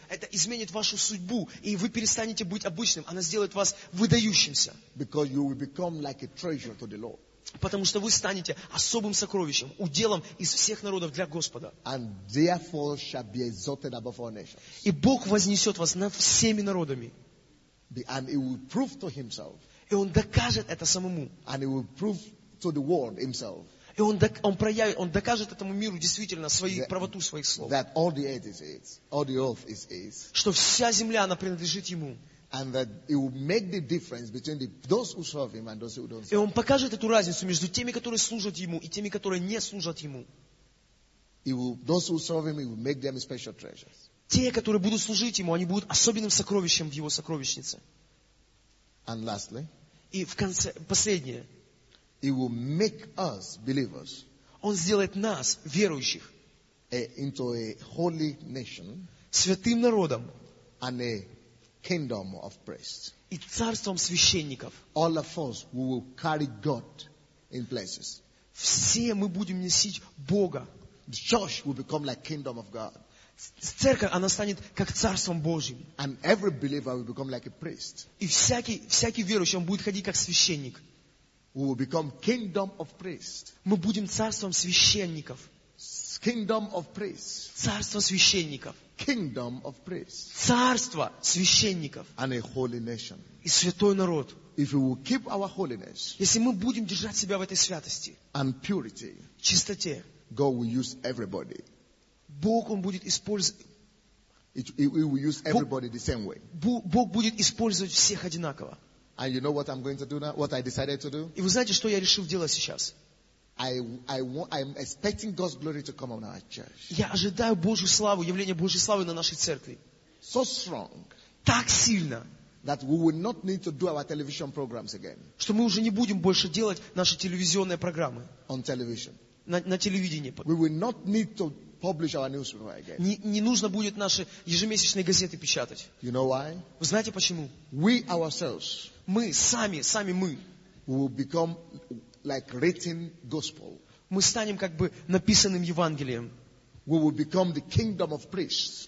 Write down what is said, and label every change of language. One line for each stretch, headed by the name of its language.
Russian: Это изменит вашу судьбу, и вы перестанете быть обычным. Она сделает вас выдающимся.
English: Because you will become like a treasure to the Lord.
Russian: Потому что вы станете особым сокровищем, уделом из всех народов для Господа.
English: And therefore shall be exalted above all nations.
Russian: И Бог вознесет вас над всеми народами.
English: And he will prove to himself.
Russian: И Он докажет это самому.
English: And he will prove to the world himself.
Russian: И он проявит, он докажет этому миру действительно свою правоту своих слов.
English: That all the earth is his, all the earth is his.
Russian: Что вся земля, она принадлежит ему.
English: And that it will make the difference between the, those who serve him and those who don't serve him.
Russian: И он покажет эту разницу между теми, которые служат ему, и теми, которые не служат ему.
English: He will, those who serve him, he will make them special treasures.
Russian: Те, которые будут служить ему, они будут особенным сокровищем в его сокровищнице.
English: And lastly,
Russian: и в конце, последнее,
English: he will make us believers.
Russian: Он сделает нас верующих
English: into a holy nation,
Russian: святым народом,
English: and a kingdom of priests.
Russian: И царством священников.
English: All of us we will carry God in places.
Russian: Все мы будем носить Бога.
English: The church will become like kingdom of God.
Russian: Церковь, она станет как царством Божьим.
English: And every believer will become like a priest.
Russian: И всякий верующий, он будет ходить как священник.
English: We will become kingdom of priests.
Russian: Мы будем царством священников.
English: Kingdom of priests.
Russian: Царство священников.
English: Kingdom of priests.
Russian: Царство священников.
English: And a holy nation.
Russian: И святой народ.
English: If we will keep our holiness.
Russian: Если мы будем держать себя в этой святости.
English: And purity.
Russian: Чистоте.
English: God will use everybody.
Russian: Бог, он будет использовать.
English: He will use everybody the same way.
Russian: Бог будет использовать всех одинаково.
English: And you know what I'm going to do now? What I decided to do?
Russian: И вы знаете, что я решил делать сейчас?
English: I'm expecting God's glory to come on our church.
Russian: Я ожидаю Божью славу, явление Божьей славы на нашей церкви.
English: So strong.
Russian: Так сильно.
English: That we will not need to do our television programs again.
Russian: Что мы уже не будем больше делать наши телевизионные программы.
English: On television.
Russian: На телевидении.
English: We will not need to publish our newspaper again.
Russian: Не нужно будет наши ежемесячные газеты печатать.
English: You know why?
Russian: Вы знаете почему?
English: We ourselves.
Russian: Мы сами мы.
English: We will become like written gospel.
Russian: Мы станем как бы написанным Евангелием.
English: We will become the kingdom of priests.